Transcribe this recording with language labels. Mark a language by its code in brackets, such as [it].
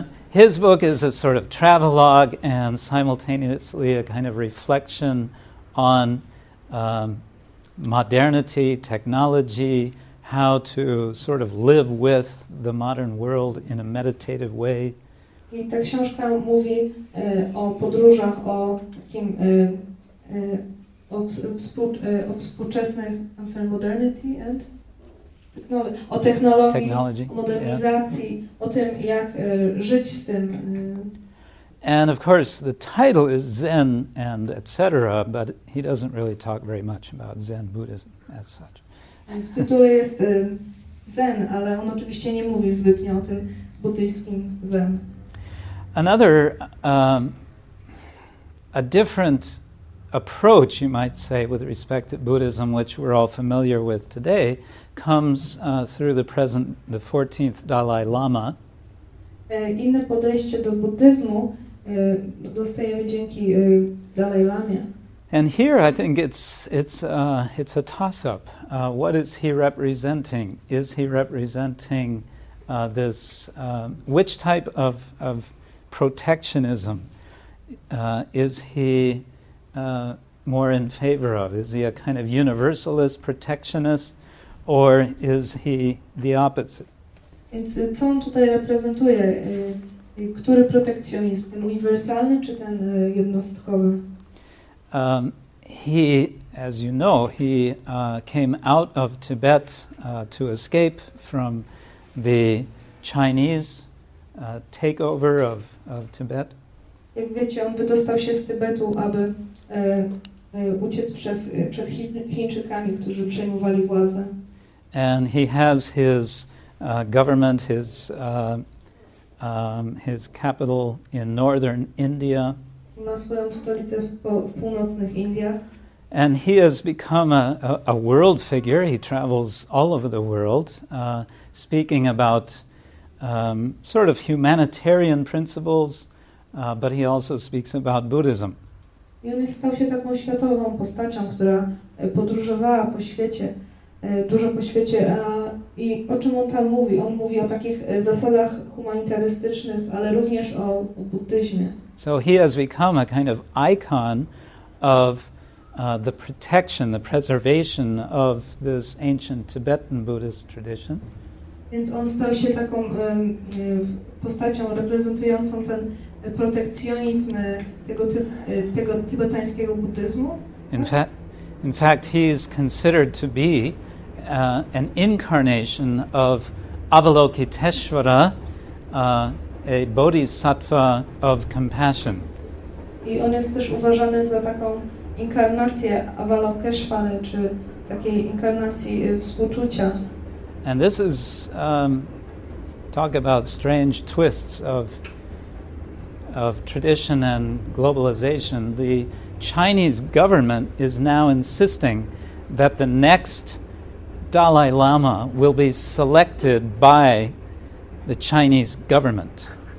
[en] His book is a sort of travelogue and simultaneously a kind of reflection on modernity, technology, how to sort of live with the modern world in a meditative way. [pl] I ta książka mówi o podróżach, o takim o współczesnych, [en] I'm sorry, modernity and [pl] o technologii, technology, modernizacji, yeah, o tym, jak żyć z tym. [en] And of course, the title is Zen and etc., but he doesn't really talk very much about Zen Buddhism as such. [pl] W tytule jest Zen, ale on oczywiście nie mówi zbytnio o tym buddyjskim Zen. [en] Another, a different approach, you might say, with respect to Buddhism, which we're all familiar with today, comes through the 14th Dalai Lama. [pl] Inne podejście do buddyzmu dostajemy dzięki Dalai Lamie. [en] And here I think it's a toss-up. What is he representing? Is he representing this, which type of protectionism is he more in favor of? Is he a kind of universalist protectionist, or is he the opposite? [pl] Więc co on tutaj reprezentuje? Który protekcjonizm? Ten uniwersalny czy ten jednostkowy? [en] He, as you know, he came out of Tibet to escape from the Chinese takeover of Tibet. [pl] Jak wiecie, on wydostał się z Tybetu, aby uciec przed Chińczykami, którzy przejmowali władzę. [en] And he has his government, his capital in northern India. [pl] He ma swoją stolicę w północnych Indiach. [en] And he has become a world figure. He travels all over the world, speaking about sort of humanitarian principles, but he also speaks about Buddhism. [pl] I on stał się taką światową postacią, która podróżowała po świecie, dużo po świecie. I o czym on tam mówi? On mówi o takich zasadach humanitarystycznych, ale również o buddyzmie. [en] So he has become a kind of icon of the protection, the preservation of this ancient Tibetan Buddhist tradition. [pl] Więc on stał się taką postacią reprezentującą ten protekcjonizm tego tybetańskiego buddyzmu. [en] In fact, he is considered to be an incarnation of Avalokiteshvara, a bodhisattva of compassion. [pl] I on jest też uważany za taką inkarnację Avalokiteshvary, czy takiej inkarnacji współczucia. [en] And this is, talk about strange twists of tradition and globalization. The Chinese government is now insisting that the next Dalai Lama will be selected by the Chinese government.